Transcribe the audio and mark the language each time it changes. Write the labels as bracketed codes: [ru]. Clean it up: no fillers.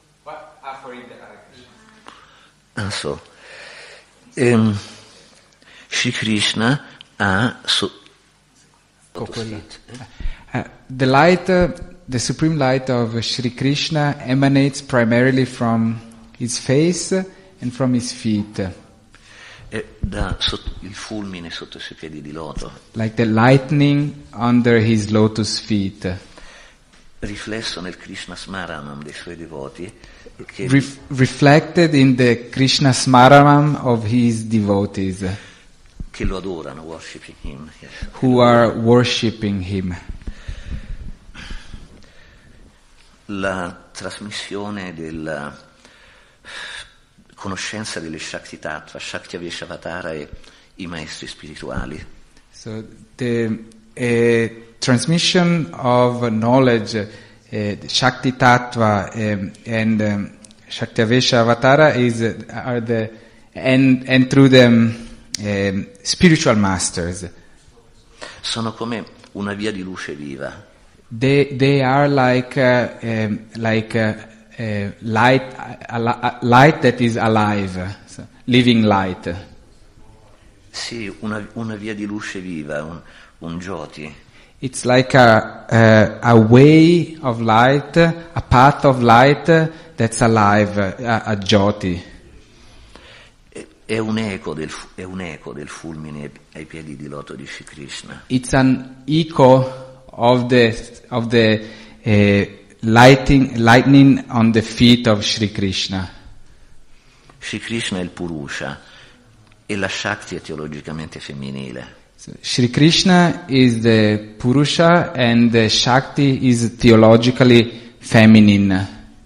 [en] what for in the Arabic. So, Sri Krishna [it] ha [en] The light, the supreme light of Sri Krishna emanates primarily from his face and from his feet. [it] Il fulmine sotto i suoi piedi di loto. [en] Like the lightning under his lotus feet. [it] Riflesso nel Krishna Smaranam dei suoi devoti. [en] Reflected in the Krishna Smaranam of his devotees. [it] Che lo adorano, [en] worshipping him. Yes. Who are worshipping him. [it] La trasmissione della conoscenza delle Shakti Tattva, Shakti Avyashavatara e i maestri spirituali. [en] So the transmission of knowledge, Shakti Tattva and Shakti Avyashavatara are through the spiritual masters. [it] Sono come una via di luce viva. [en] They are like a light that is alive, so, living light. [it] Sì, una via di luce viva, un jyoti. [en] It's like a way of light, a path of light that's alive, a jyoti. [it] È un eco del fulmine ai piedi di loto di Sri Krishna. [en] It's an echo of the lightning on the feet of Sri Krishna. [it] Sri Krishna è il Purusha e la Shakti è teologicamente femminile. [en] So, Sri Krishna is the Purusha and the Shakti is theologically feminine.